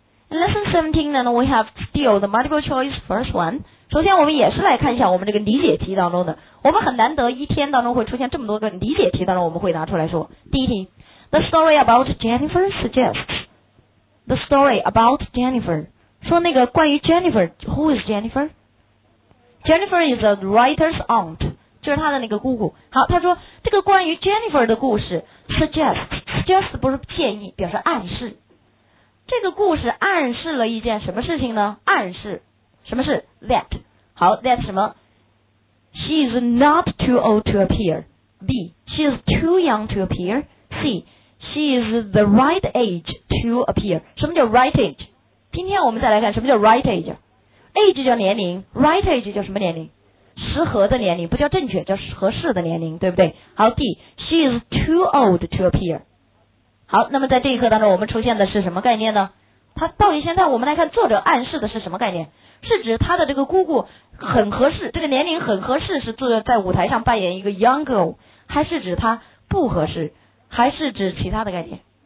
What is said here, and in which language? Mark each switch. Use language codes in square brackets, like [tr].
[en] Lesson 17 呢 we have still the multiple choice first one. [zh] 首先我们也是来看一下我们这个理解题当中的，我们很难得一天当中会出现这么多个理解题当中我们会拿出来说。第一题， [en] The story about Jennifer [zh] 说那个关于 Jennifer， [en] Who is Jennifer？ [zh] Jennifer is a writer's aunt， 就是他的那个姑姑。好，他说这个关于 Jennifer 的故事 suggest 不是建议，表示暗示。这个故事暗示了一件什么事情呢？暗示什么是 that？好 [en] ，that [zh] 什么 [en] ？She is not too old to appear. B. She is too young to appear. C. She is the right age to appear. [zh] 什么叫 [en] right age？ [zh] 今天我们再来看什么叫 right age。age 叫年龄 ，right age 叫什么年龄？适合的年龄，不叫正确，叫合适的年龄，对不对？ [en] 好 ，D. She is too old to appear. [zh] 好，那么在这一课当中我们出现的是什么概念呢？他到底现在我们来看作者暗示的是什么概念，是指他的这个姑姑很合适，这个年龄很合适，是坐在舞台上扮演一个 young girl， 还是指他不合适，还是指其他的概念？